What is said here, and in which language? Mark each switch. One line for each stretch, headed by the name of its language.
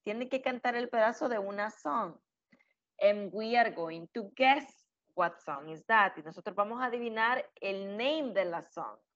Spanish: Tiene que cantar el pedazo de una song.
English: And we are going to guess what song is that.
Spanish: Y nosotros vamos a adivinar el name de la song.